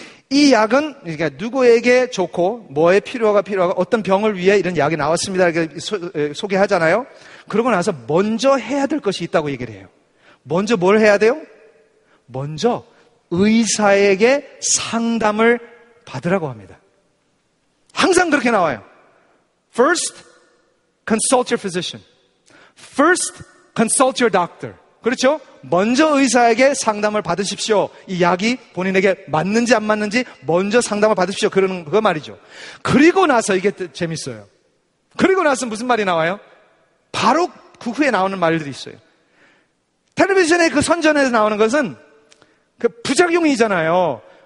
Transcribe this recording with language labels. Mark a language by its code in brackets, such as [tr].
[ko] 이 약은 그러니까 누구에게 좋고 뭐에 필요가 어떤 병을 위해 이런 약이 나왔습니다. 이렇게 소개하잖아요. 그러고 나서 먼저 해야 될 것이 있다고 얘기를 해요. 먼저 뭘 해야 돼요? 먼저 의사에게 상담을 받으라고 합니다. 항상 그렇게 나와요. [en] First, consult your physician. First, consult your doctor. [ko] 그렇죠? 먼저 의사에게 상담을 받으십시오. 이 약이 본인에게 맞는지 안 맞는지 먼저 상담을 받으십시오. 그러는 그 말이죠. 그리고 나서 이게 재밌어요. 그리고 나서 무슨 말이 나와요? 바로 그 후에 나오는 말들이 있어요. 텔레비전의 그 선전에서 나오는 것은 그 부작용이잖아요.